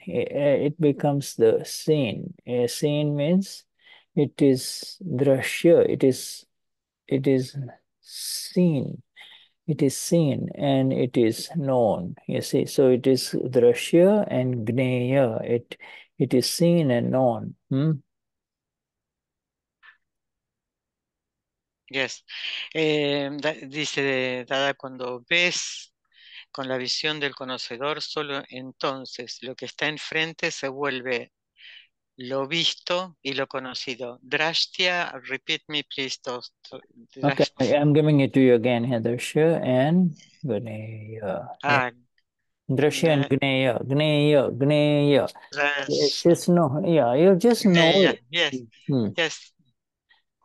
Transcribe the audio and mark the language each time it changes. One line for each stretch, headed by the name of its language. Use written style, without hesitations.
English: It becomes the scene. A scene means it is drashya, it is seen, and it is known, you see. So it is drashya and gneya, it is seen and known. Yes.
Spanish: Dice Dada, cuando ves con la visión del conocedor, solo entonces lo que está enfrente se vuelve Lo visto y lo conocido. Drashtya,
English: repeat me please. Okay, I'm giving it to you again, Drashtya and Gneya. Drashtya and Gneya, Gneya, Gneya. Just know, yeah, you just know. Yeah, yeah. Yes, yes.